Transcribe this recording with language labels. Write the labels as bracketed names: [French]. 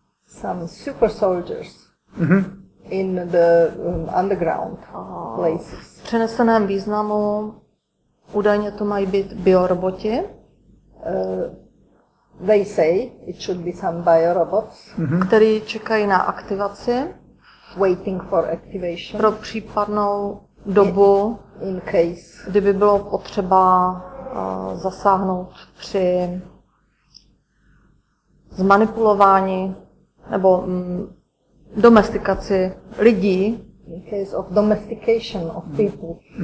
[English] Some super soldiers in the underground places. [Czech] V přeneseném významu údajně to mají být bioroboti. [English] They say it should be some biorobots, [Czech] který čekají na aktivaci, [English] waiting for activation, [Czech] pro případnou dobu, [English] in case, [Czech] kdyby bylo potřeba zasáhnout při zmanipulování nebo domestikaci lidí, [English] in case of domestication of people,